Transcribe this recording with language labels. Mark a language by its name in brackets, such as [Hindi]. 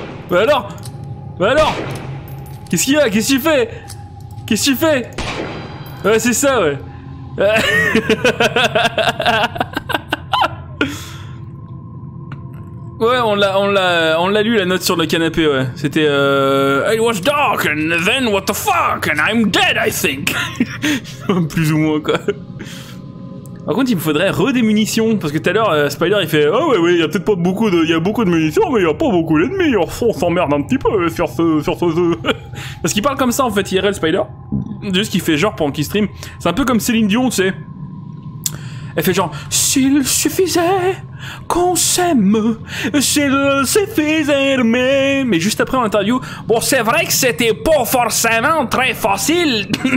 [French] Bah alors? Bah alors? Qu'est-ce qu'il y a? Qu'est-ce que tu fais? Qu'est-ce que tu fais? Ouais, c'est ça, ouais! Ouais, on l'a lu la note sur le canapé, ouais. C'était [English] It was dark, and then what the fuck, and I'm dead, I think! [French] Plus ou moins, quoi. Par contre, il me faudrait des munitions, parce que tout à l'heure, Spider, il fait « Ah oh, ouais, il y a peut-être pas beaucoup de... Il y a beaucoup de munitions, mais il y a pas beaucoup d'ennemis, alors on s'emmerde un petit peu sur ce... » Parce qu'il parle comme ça, en fait, IRL, Spider. Juste qu'il fait genre pendant qu'il stream. C'est un peu comme Céline Dion, tu sais. Elle fait genre « S'il suffisait qu'on s'aime, s'il suffisait de m'aimer... » Mais juste après, en interview, « Bon, c'est vrai que c'était pas forcément très facile.